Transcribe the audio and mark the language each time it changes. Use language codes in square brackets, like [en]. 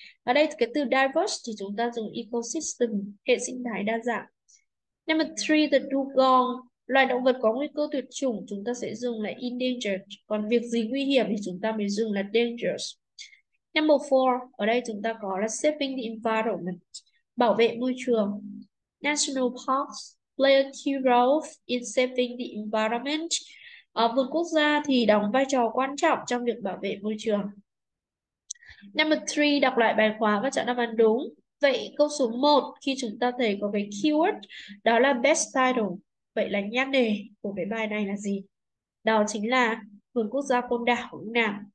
[vi] Ở đây cái từ diverse thì chúng ta dùng ecosystem, hệ sinh thái đa dạng. [en] Number 3, [vi] the dugong, loài động vật có nguy cơ tuyệt chủng, chúng ta sẽ dùng là endangered. Còn việc gì nguy hiểm thì chúng ta mới dùng là dangerous. [en] Number 4, [vi] ở đây chúng ta có là [en] saving the environment, [vi] bảo vệ môi trường. [en] National parks play a key role in saving the environment. [vi] Ở vườn quốc gia thì đóng vai trò quan trọng trong việc bảo vệ môi trường. [en] Number 3, [vi] đọc lại bài khóa và chọn đáp án đúng. Vậy câu số 1 khi chúng ta thấy có cái keyword đó là [en] best title. [vi] Vậy là nhan đề của cái bài này là gì? Đó chính là vườn quốc gia Côn Đảo hướng nào?